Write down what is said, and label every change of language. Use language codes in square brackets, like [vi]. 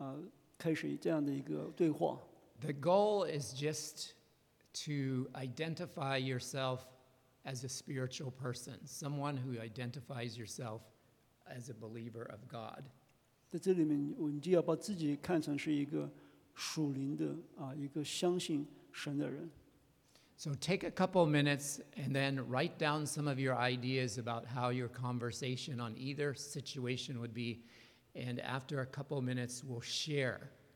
[zh] 你开车在你的朋友，你朋友就是一些还没有信主的人，当你们经过一个教堂的时候，你就看见他们好像对这个教堂有些兴趣。这个时候，你怎样去和他们开始谈神的爱、神的这个他的国度这些事情？你怎么去开始这样的一个对话？ [en] The goal is just to identify yourself as a spiritual person, someone who identifies yourself as a believer of God. [zh] 在这里面，你就要把自己看成是一个属灵的，一个相信神的人。 [en] So take a couple minutes and then write down some of your ideas about how your conversation on either situation would be, and after a couple minutes, we'll share.